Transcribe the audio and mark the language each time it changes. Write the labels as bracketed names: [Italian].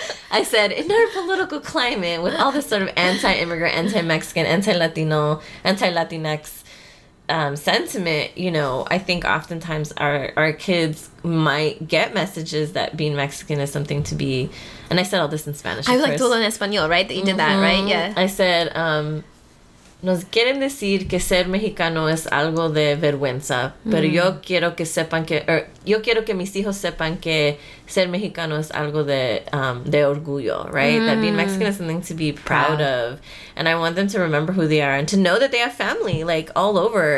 [English] I said, in our political climate, with all this sort of anti-immigrant, anti-Mexican, anti-Latino, anti-Latinx sentiment, you know, I think oftentimes our kids might get messages that being Mexican is something to be... And I said all this in Spanish, I like, [Spanish] todo en español, [English] right? That you did that, right? Yeah. [Spanish] I said, nos quieren decir que ser mexicano es algo de vergüenza, pero yo quiero que sepan que, [English] or [Spanish] yo quiero que mis hijos sepan que ser mexicano es algo de orgullo, right? [English] Mm. That being Mexican is something to be proud of, and I want them to remember who they are and to know that they have family like all over.